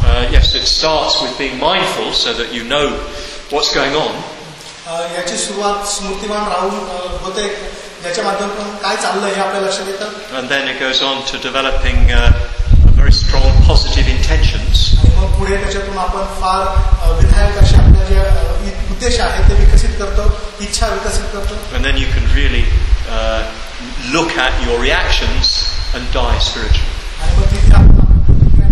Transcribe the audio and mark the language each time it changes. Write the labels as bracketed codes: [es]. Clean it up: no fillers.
[en] Yes, it starts with being mindful so that you know what's going on. [mr] याची सुरुवात स्मृतिमान राहून होते ज्याच्या माध्यमातून काय चाललंय हे आपल्या लक्षात येतं. [en] And then it goes on to developing very strong positive intentions. [mr] मग पुढे त्याच्यातून आपण फार विधायक अशा आपल्या जे उद्देश आहे ते विकसित करतो, इच्छा विकसित करतो. [en] And then you can really look at your reactions and die spiritually. One of the things that you're asking for,